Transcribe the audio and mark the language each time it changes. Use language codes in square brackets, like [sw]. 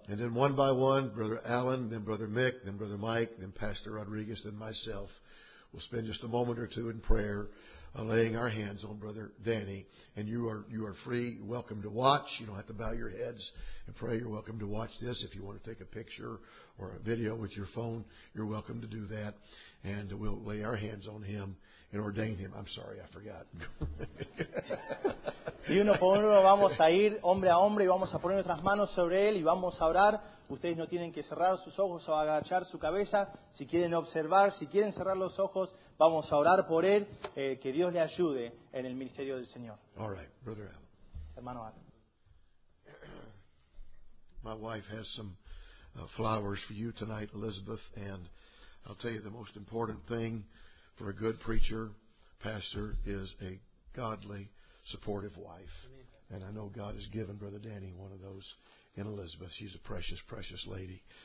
[en] And then one by one, Brother Alan, then Brother Mick, then Brother Mike, then Pastor Rodriguez, then myself, we'll spend just a moment or two in prayer, laying our hands on Brother Danny. And you are free, welcome to watch. You don't have to bow your heads and pray. You're welcome to watch this. If you want to take a picture or a video with your phone, you're welcome to do that. And we'll lay our hands on him and ordain him. I'm sorry, I forgot. [es] Y uno por uno vamos a ir hombre a hombre y vamos a poner nuestras manos sobre él y vamos a orar. Ustedes no tienen que cerrar sus ojos o agachar su cabeza. Si quieren observar, si quieren cerrar los ojos, vamos a orar por él. Que Dios le ayude en el ministerio del Señor. [en] All right, Brother Adam. [es] Hermano Adam. [en] My wife has some flowers for you tonight, Elizabeth. And I'll tell you the most important thing for a good preacher, pastor, is a godly, supportive wife. And I know God has given Brother Danny one of those. And Elizabeth, she's a precious, precious lady.